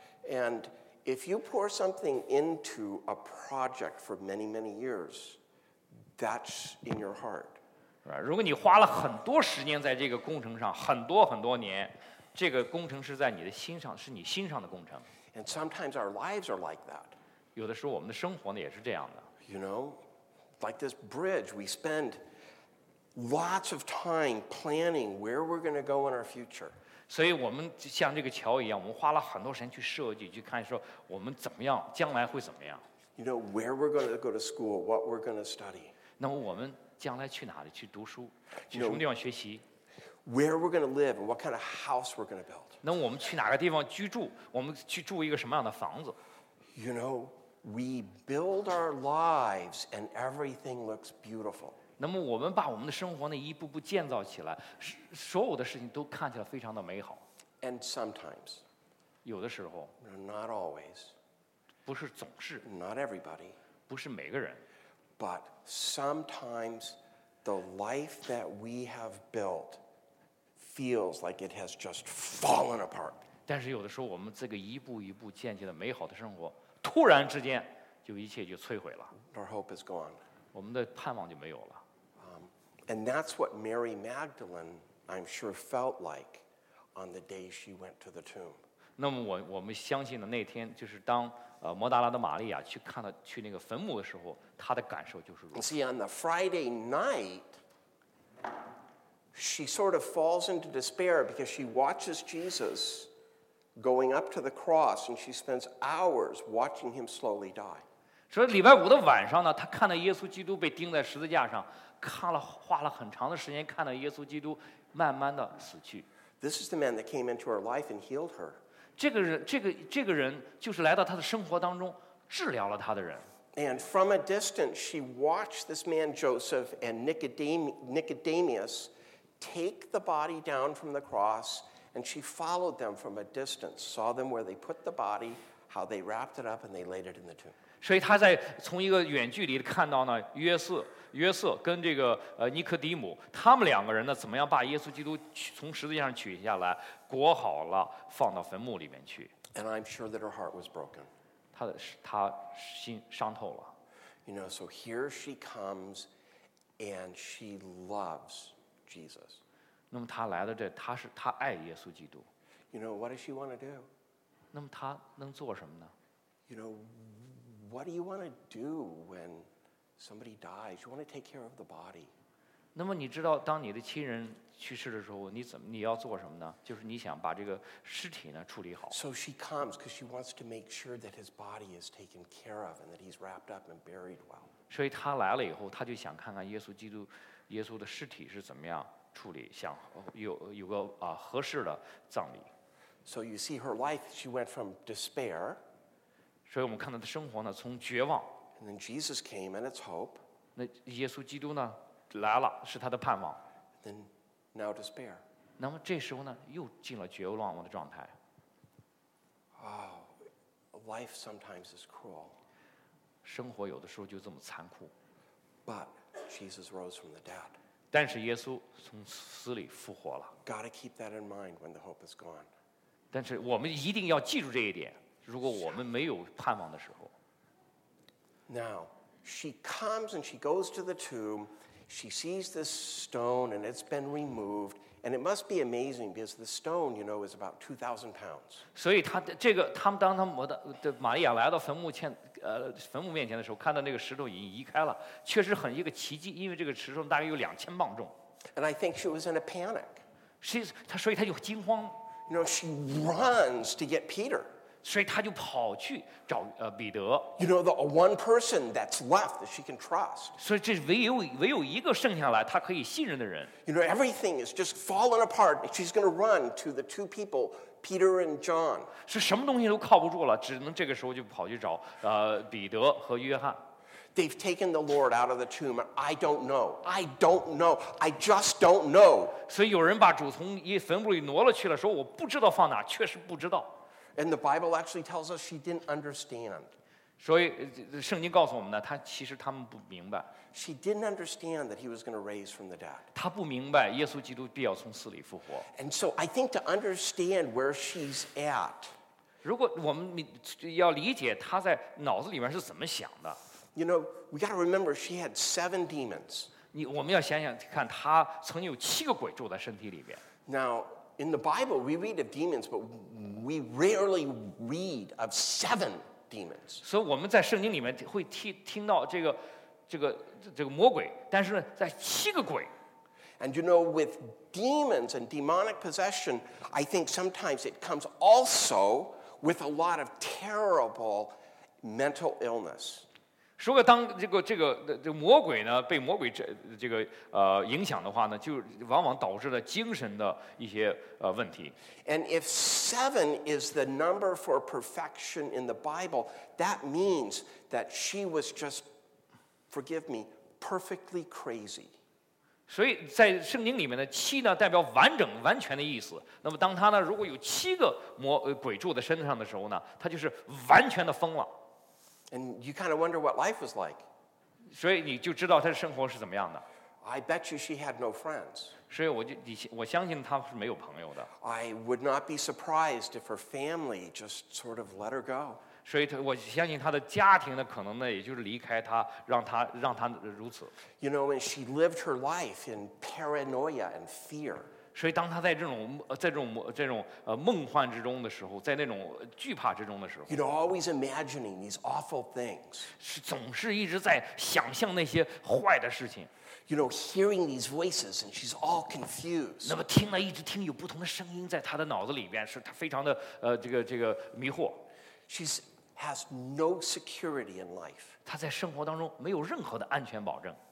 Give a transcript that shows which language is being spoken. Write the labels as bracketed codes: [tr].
[en] And if you pour something into a project for many many years, that's in your heart. [zh] 如果你花了很多时间在这个工程上，很多很多年，这个工程是在你的心上，是你心上的工程。 [en] And sometimes our lives are like that. [zh] 有的时候我们的生活呢也是这样的。 [en] You know, like this bridge, we spend lots of time planning where we're going to go in our future. [zh] 所以我们像这个桥一样，我们花了很多时间去设计，去看说我们怎么样，将来会怎么样。 [en] You know, where we're going to go to school, what we're going to study. [zh] 那么我们将来去哪里去读书，去什么地方学习。 [en] Where we're going to live and what kind of house we're going to build. [zh] 那我们去哪个地方居住？我们去住一个什么样的房子 [en] ？You know, we build our lives and everything looks beautiful. [zh] 那么我们把我们的生活呢一步步建造起来，所有的事情都看起来非常的美好。 [en] And sometimes, [zh] 有的时候 [en] ，not always, [zh] 不是总是 [en] ，not everybody, [zh] 不是每个人 [en] ，but sometimes the life that we have built. Feels like it has just fallen apart. [zh] 但是有的时候，我们这个一步一步建起的美好的生活，突然之间就一切就摧毁了。 [en] Our hope is gone. [zh] 我们的盼望就没有了。 [en] And that's what Mary Magdalene, I'm sure, felt like on the day she went to the tomb. [zh] 那么我们相信的那天，就是当摩大拉的玛利亚去看到去那个坟墓的时候，她的感受就是如此。 [en] See on the Friday night. She sort of falls into despair because she watches Jesus going up to the cross, and she spends hours watching him slowly die. [zh] 所以礼拜五的晚上呢，她看到耶稣基督被钉在十字架上，看了花了很长的时间看到耶稣基督慢慢的死去。 [en] This is the man that came into her life and healed her. [zh] 这个人就是来到她的生活当中治疗了她的人。 [en] And from a distance, she watched this man Joseph and Nicodemus. Take the body down from the cross, and she followed them from a distance. Saw them where they put the body, how they wrapped it up, and they laid it in the tomb. [zh] 所以他在从一个远距离看到呢，约瑟跟这个尼科底母，他们两个人呢，怎么样把耶稣基督从十字架上取下来，裹好了，放到坟墓里面去。 [en] And I'm sure that her heart was broken. [zh] 他心伤透了。 [en] You know, so here she comes, and she loves. Jesus. [zh] 那么他来到这，他爱耶稣基督。 [en] You know what does she want to do? [zh] 那么他能做什么呢 [en] ？You know what do you want to do when somebody dies? You want to take care of the body. [zh] 那么你知道当你的亲人去世的时候，你要做什么呢？就是你想把这个尸体呢处理好。 [en] So she comes because she wants to make sure that his body is taken care of and that he's wrapped up and buried well. [zh] 所以他来了以后，他就想看看耶稣基督。耶稣的尸体是怎么样处理？想有个合适的葬礼。 [en] So you see her life, she went from despair. [zh] 所以我们看他的生活呢，从绝望。 [en] And then Jesus came and it's hope. [zh] 那耶稣基督呢，来了，是他的盼望。 [en] Then now despair. [zh] 那么这时候呢，又进了绝望的状态。 [en] Oh, life sometimes is cruel. [zh] 生活有的时候就这么残酷。 [en] But Jesus rose from the dead. [zh] 但是耶稣从死里复活了。 [en] Gotta keep that in mind when the hope is gone. [zh] 但是我们一定要记住这一点。如果我们没有盼望的时候。 [en] Now, she comes and she goes to the tomb. She sees this stone and it's been removed. And it must be amazing because the stone, you know, is about 2,000 pounds. [zh] 所以她这个，他们当他们的玛利亚来到坟墓前，坟墓面前的时候，看到那个石头已经移开了，确实很一个奇迹，因为这个石头大概有2000磅重。 [en] And I think she was in a panic. [zh] 所以她就惊慌。 [en] You know, she runs to get Peter. [zh] 所以他就跑去找彼得。 [en] You know, the one person that's left that she can trust. [zh] 所以这唯有一个剩下来他可以信任的人。 [en] You know, everything is just falling apart. She's going to run to the two people, Peter and John. [zh] 是什么东西都靠不住了，只能这个时候就跑去找彼得和约翰。 [en] They've taken the Lord out of the tomb. I don't know. I don't know. I just don't know. [zh] 所以有人把主从坟墓里挪了去了，说我不知道放哪，确实不知道。 [en] And the Bible actually tells us she didn't understand. [zh] 所以圣经告诉我们呢，她其实他们不明白。 [en] She didn't understand that he was going to raise from the dead. [zh] 她不明白耶稣基督必要从死里复活。 [en] And so I think to understand where she's at. [zh] 如果我们要理解她在脑子里面是怎么想的。 [en] You know, we got to remember she had 7 demons. [zh] 我们要想想看，她曾经有7个鬼住在身体里面。 [en] Now. In the Bible, we read of demons, but we rarely read of 7 demons. [zh] So, 我们在圣经里面会听到这个魔鬼，但是在七个鬼。 [en] And you know, with demons and demonic possession, I think sometimes it comes also with a lot of terrible mental illness. [zh] 如果当这个魔鬼呢被魔鬼这个影响的话呢，就往往导致了精神的一些问题。 [en] And if 7 is the number for perfection in the Bible, that means that she was just, forgive me, perfectly crazy. [zh] 所以在圣经里面的七呢代表完整完全的意思。那么当他呢如果有七个魔鬼住在身上的时候呢，他就是完全的疯了。 [en] And you kind of wonder what life was like. [zh] 所以你就知道她的生活是怎么样的。 [en] I bet you she had no friends. [zh] 所以我相信她是没有朋友的。 [en] I would not be surprised if her family just sort of let her go. [zh] 所以我相信她的家庭呢，可能呢，也就是离开她，让她如此。 [en] You know, and she lived her life in paranoia and fear. [zh] 所以当她在这种梦幻之中的时候，在那种惧怕之中的时候， [en] you know, always imagining these awful things. [zh] 是总是一直在想象那些坏的事情。 [en] You know, hearing these voices, and she's all confused. [zh] 那么听了一直听有不同的声音在她的脑子里边，是她非常的这个迷惑。 [en] She's has no security in life. [zh] 她在生活当中没有任何的安全保证。